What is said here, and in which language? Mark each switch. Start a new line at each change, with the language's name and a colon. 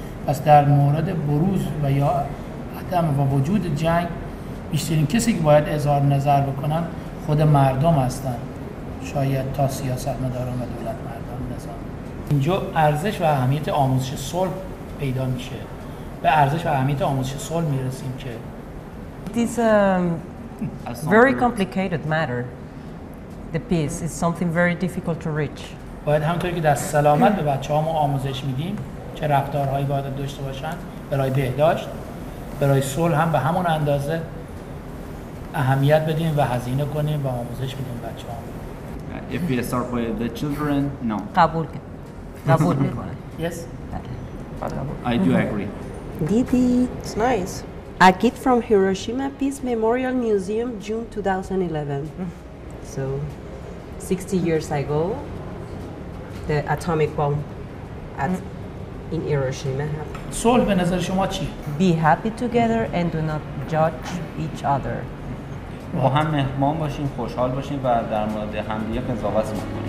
Persian: پس در مورد بروز و یا عدم و وجود جنگ بیشترین کسی که باید اظهار نظر بکنن خود مردم هستن، شاید تا سیاست مداران و دولت مردان نظام. اینجا ارزش و اهمیت آموزش صلح پیدا میشه. به ارزش و اهمیت آموزش صلح میرسیم که
English: It is a very complicated matter. The peace is something very difficult to reach.
Persian: باید همونطوری که دست سلامت به بچه هامو آموزش میدیم چه رفتارهایی باید داشته باشند برای بهداشت، برای صلح هم به همون اندازه اهمیت بدیم و هزینه کنیم و آموزش بدیم بچه هم.
English: If we start with the children, no.
Persian: قبول کنیم. قبول میکنیم.
English: Yes. I do agree. Didi. It's nice. A kid from Hiroshima Peace Memorial Museum, June 2011. So, 60 years ago, the atomic bomb at in Hiroshima.
Persian: صلح به نظر شما چی؟
English: Be happy together and do not judge each other.
Persian: با هم مهمان باشیم، خوشحال باشیم و در مورد همدیگه قضاوت نکنیم.